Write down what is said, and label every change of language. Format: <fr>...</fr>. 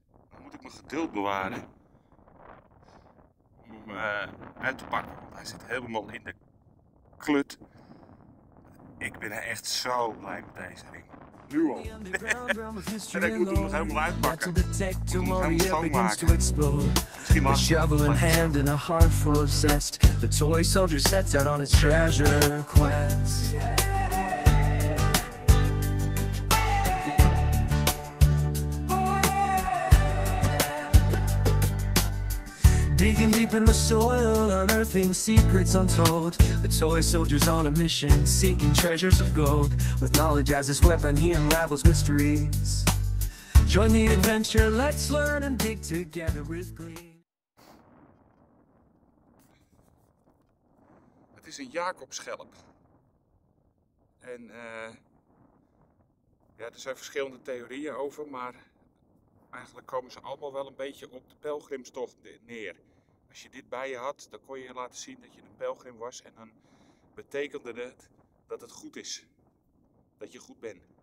<nl>Dan moet ik mijn geduld bewaren. Om hem uit te pakken, want hij zit helemaal in de klut. Ik ben echt zo blij met deze ring. Nu al. En ik moet hem nog helemaal uitpakken. Ik moet hem nog helemaal schoonmaken.</nl> <en>A shovel in hand and a heart full of zest. The toy soldier sets out on his treasure quest. Digging deep in the soil, unearthing secrets untold. The toy soldier's on a mission, seeking treasures of gold. With knowledge as his weapon, he unravels mysteries. Join the adventure, let's learn and dig together with glee.</en> <nl>Het is een Jacobsschelp. En er zijn verschillende theorieën over, maar eigenlijk komen ze allemaal wel een beetje op de pelgrimstocht neer. Als je dit bij je had, dan kon je laten zien dat je een pelgrim was en dan betekende het dat het goed is. Dat je goed bent.</nl>